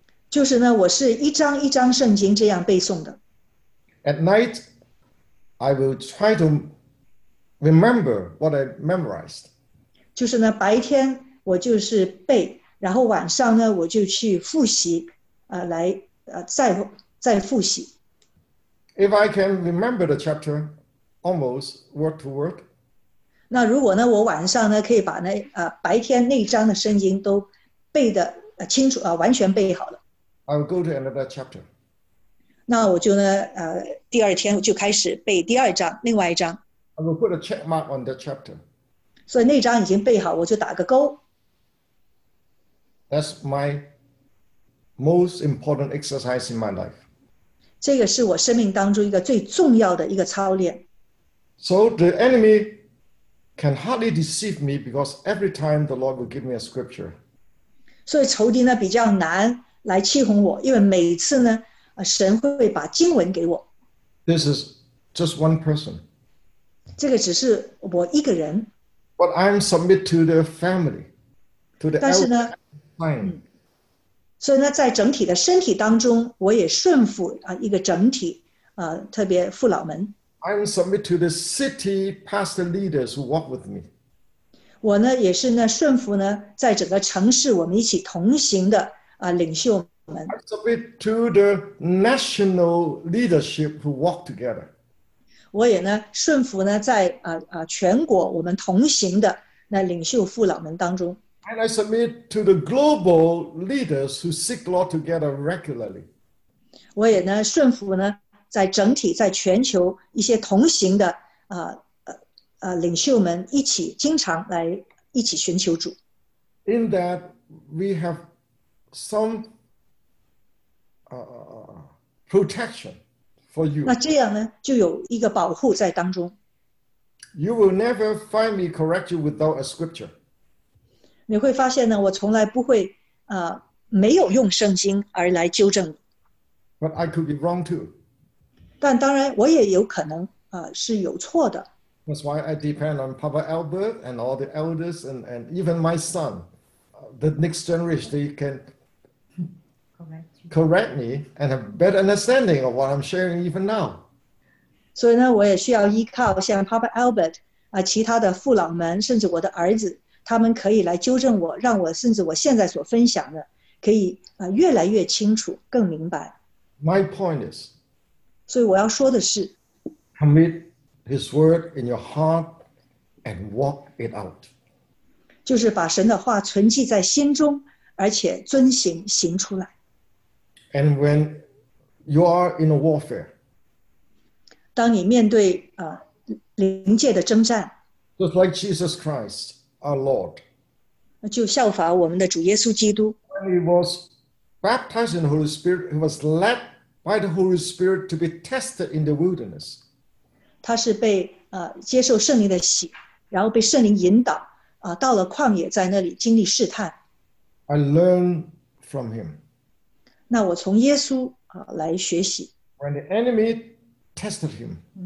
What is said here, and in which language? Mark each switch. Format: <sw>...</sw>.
<zh>就是呢，我是一章一章圣经这样背诵的。</zh> <en>At night, I will try to remember what I memorized.</en> <zh>就是呢，白天我就是背，然后晚上呢，我就去复习，来，再复习。</zh> <en>If I can remember the chapter almost word to word.</en> <zh>那如果呢，我晚上呢可以把那白天那章的圣经都背的清楚完全背好了。</zh> <en>I'll go to another chapter.</en> <zh>那我就呢第二天就开始背第二章，另外一章。</zh> <en>I will put a check mark on that chapter.</en> <zh>所以那章已经背好，我就打个勾。</zh> <en>That's my most important exercise in my life.</en> <zh>这个是我生命当中一个最重要的一个操练。</zh> <en>So the enemy. Can hardly deceive me because every time the Lord will give me a scripture.</en> <zh>所以仇敌呢比较难来欺哄我，因为每次呢，神会把经文给我。</zh> <en>This is just one person.</en> <zh>这个只是我一个人。</zh> <en>But I'm submit to the family, to the elders.</en> <zh>但是呢，所以呢，在整体的身体当中，我也顺服一个整体，特别父老们。</zh> <en>I will submit to the city pastor leaders who walk with me.</en> <zh>我呢也是呢顺服呢在整个城市我们一起同行的领袖们。</zh> <en>I submit to the national leadership who walk together.</en> <zh>我也呢顺服呢在全国我们同行的那领袖父老们当中。</zh> <en>And I submit to the global leaders who seek the Lord together regularly.</en> <zh>我也呢顺服呢。在整体在全球一些同行的领袖们一起经常来一起寻求主。</zh> <en>In that we have some protection for you.</en> <zh>那这样呢就有一个保护在当中。</zh> <en>You will never find me correct you without a scripture.</en> <zh>你会发现呢我从来不会没有用圣经而来纠正你。</zh> <en>But I could be wrong too.</en> <zh>但当然，我也有可能是有错的。</zh> <en>That's why I depend on Papa Albert and all the elders and even my son, the next generation. They can correct me and have better understanding of what I'm sharing even now.</en> <zh>所以呢，我也需要依靠像 Papa Albert 其他的父老们，甚至我的儿子，他们可以来纠正我，让我甚至我现在所分享的可以越来越清楚，更明白。</zh> <en>My point is.</en> <zh>所以我要说的是</zh> <en>commit his word in your heart and walk it out.</en> <zh>就是把神的话存记在心中而且遵行行出来。</zh> <en>And when you are in a warfare,</en> <zh>当你面对灵界的征战</zh> <en>just like Jesus Christ, our Lord,</en> <zh>就效法我们的主耶稣基督</zh> <en>when he was baptized in the Holy Spirit, he was led. By the Holy Spirit to be tested in the wilderness.</en> <zh>他是被接受圣灵的洗，然后被圣灵引导到了旷野，在那里经历试探。</zh> <en>I learned from him.</en> <zh>那我从耶稣来学习。</zh> <en>When the enemy tested him.</en>